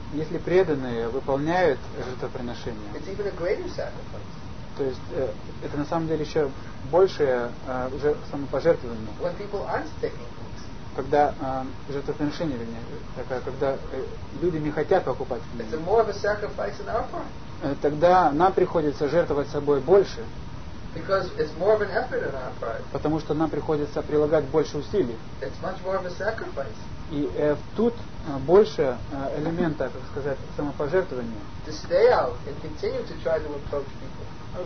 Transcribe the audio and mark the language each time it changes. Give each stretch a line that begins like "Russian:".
Russian: если преданные выполняют жертвоприношение,
English: it's even a greater sacrifice.
Russian: То есть это на самом деле еще большее самопожертвование.
English: When people aren't sticking.
Russian: Когда жертвоприношение, вернее, такая, когда люди не хотят покупать книги,
English: it's a more of a sacrifice in our part.
Russian: Тогда нам приходится жертвовать собой больше,
English: because it's more of an effort in our part.
Russian: Потому что нам приходится прилагать больше усилий.
English: It's much more of a sacrifice.
Russian: И тут больше элемента, как сказать, самопожертвования.
English: To stay out and continue to try to approach people.